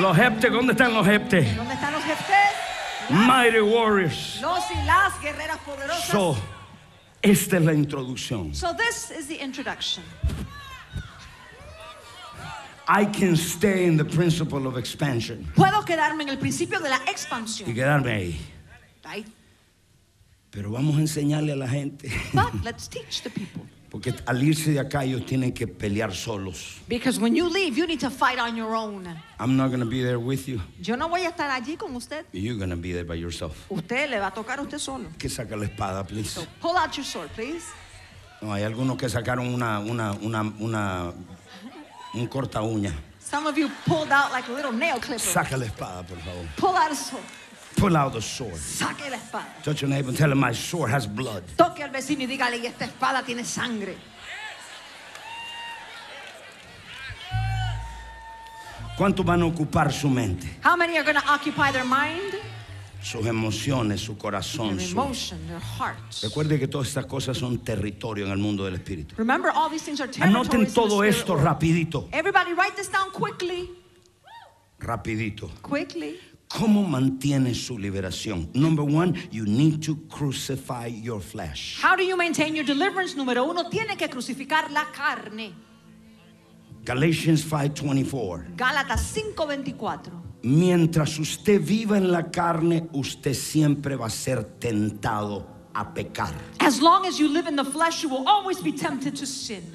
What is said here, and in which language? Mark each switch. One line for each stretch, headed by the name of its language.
Spanish: Los heptes, ¿dónde están los heptes? ¿Dónde están los heptes?
English: Mighty warriors.
Spanish: Los y las guerreras poderosas. So, esta es la introducción.
English: So this is the introduction. I can stay in the principle of expansion.
Spanish: Puedo quedarme en el principio de la expansión. Y quedarme ahí.
English: Right.
Spanish: Pero vamos a enseñarle a la gente.
English: But let's teach the people.
Spanish: Porque al irse de acá ellos tienen que pelear solos.
English: Because when you leave, you need to fight on your own. I'm not going to be there with you.
Spanish: Yo no voy a estar allí con usted.
English: You're going to be there by yourself.
Spanish: Usted le va a tocar a usted solo. Que saque la espada, please.
English: So pull out your sword, please.
Spanish: No, hay algunos que sacaron una un corta uña.
English: Some of you pulled out like a little nail clipper.
Spanish: Saca la espada, por favor.
English: Pull out a sword. Pull out the sword.
Spanish: Saque la espada.
English: Touch your neighbor and tell him my sword has blood.
Spanish: Toque al vecino y dígale, y esta espada tiene sangre. ¿Cuántos van a ocupar su mente?
English: How many are going to occupy their mind?
Spanish: Sus emociones, su corazón,
English: their emotion, their hearts.
Spanish: Recuerde que todas estas cosas son territorio en el mundo del espíritu.
English: Remember, all these things are territories.
Spanish: Anoten todo esto rapidito.
English: Everybody write this down quickly.
Spanish: Rapidito.
English: Quickly.
Spanish: ¿Cómo mantiene su liberación?
English: Number one, you need to crucify your flesh. How do you maintain your deliverance?
Spanish: Número uno, tiene que crucificar la carne.
English: Galatians 5:24.
Spanish: Gálatas 5:24. Mientras usted viva en la carne, usted siempre va a ser tentado a pecar.
English: As long as you live in the flesh, you will always be tempted to sin.